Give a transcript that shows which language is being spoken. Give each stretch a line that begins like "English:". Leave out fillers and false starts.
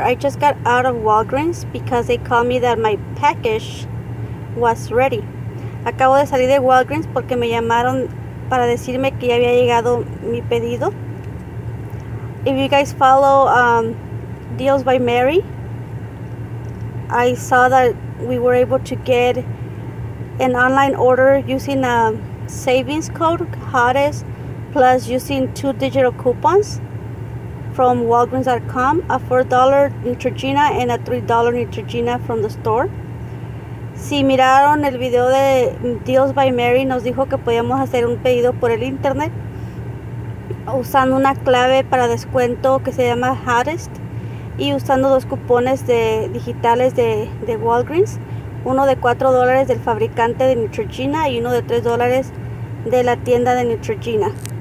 English: I just got out of Walgreens because they called me that my package was ready.
Spanish: Acabo de salir de Walgreens porque me llamaron para decirme que ya había llegado mi pedido.
English: If you guys follow Deals by Mary, I saw that we were able to get an online order using a savings code, HOTTEST, plus using two digital coupons from Walgreens.com, a $4 Neutrogena and a $3 Neutrogena from the store.
Spanish: Si miraron el video de Deals by Mary, nos dijo que podíamos hacer un pedido por el internet usando una clave para descuento que se llama HOTTEST y usando dos cupones digitales de Walgreens, uno de $4 del fabricante de Neutrogena y uno de $3 de la tienda de Neutrogena.